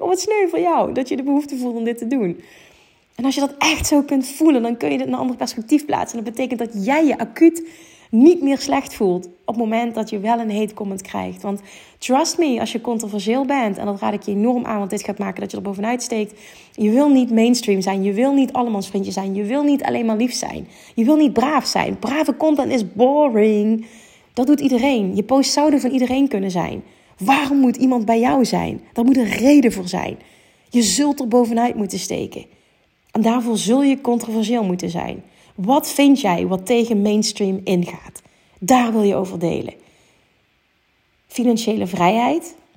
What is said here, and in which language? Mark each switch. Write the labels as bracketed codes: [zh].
[nl] Oh wat sneu voor jou, dat je de behoefte voelt om dit te doen. En als je dat echt zo kunt voelen, dan kun je het in een ander perspectief plaatsen. En dat betekent dat jij je acuut niet meer slecht voelt op het moment dat je wel een hate comment krijgt. Want [en] trust me, [nl] als je controversieel bent, en dat raad ik je enorm aan, want dit gaat maken dat je er bovenuit steekt. Je wil niet mainstream zijn. Je wil niet allemans vriendje zijn. Je wil niet alleen maar lief zijn. Je wil niet braaf zijn. [en] Brave content is boring. [nl] Dat doet iedereen. Je post zou er van iedereen kunnen zijn. Waarom moet iemand bij jou zijn? Daar moet een reden voor zijn. Je zult er bovenuit moeten steken. En daarvoor zul je controversieel moeten zijn. Wat vind jij wat tegen mainstream ingaat? Daar wil je over delen. Financiële vrijheid?